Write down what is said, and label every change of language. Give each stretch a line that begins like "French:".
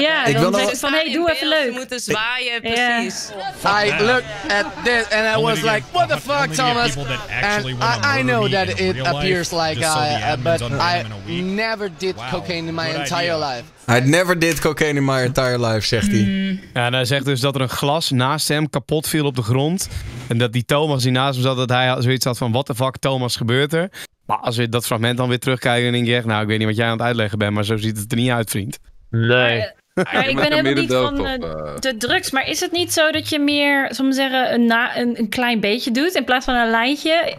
Dutch: Ja, dan ik wil dan van hey, doe even leuk. Ze moeten zwaaien, precies.
English: Yeah. I look at this and I was like, what the fuck, Thomas? And I know that it appears like but I never did cocaine in my entire life. I never did cocaine in my entire life,
Dutch: zegt hij. Ja, en hij zegt dus dat er een glas naast hem kapot viel op de grond. En dat die Thomas die naast hem zat, dat hij zoiets had van...
English: What the fuck, Thomas,
Dutch: gebeurt er? Maar als we dat fragment dan weer terugkijken, dan denk je echt... Nou, ik weet niet wat jij aan het uitleggen bent, maar zo ziet het er niet uit, vriend. Nee. Maar ik ben helemaal niet van de drugs. Maar is het niet zo dat je meer, zullen we zeggen, een klein beetje doet in plaats van een lijntje?